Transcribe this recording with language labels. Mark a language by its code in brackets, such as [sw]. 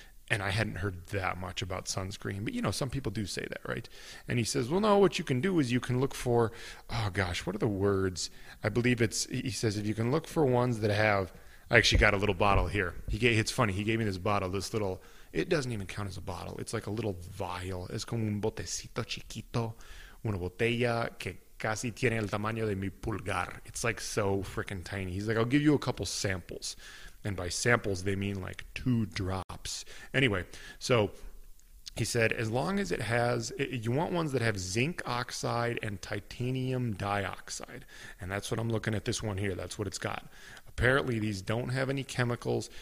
[en] And I hadn't heard that much about sunscreen, but you know, some people do say that, right? And he says, well, no, what you can do is you can look for, oh gosh, what are the words? I believe it's, he says, if you can look for ones that have, I actually got a little bottle here. It's funny, he gave me this bottle, this little, it doesn't even count as a bottle. It's like a little vial. [es] Es como un botecito chiquito, una botella que casi tiene el tamaño de mi pulgar. [en] It's like so freaking tiny. He's like, I'll give you a couple samples. And by samples, they mean like two drops. Anyway, so he said, as long as it has, you want ones that have zinc oxide and titanium dioxide. And that's what I'm looking at this one here. That's what it's got. Apparently, these don't have any chemicals.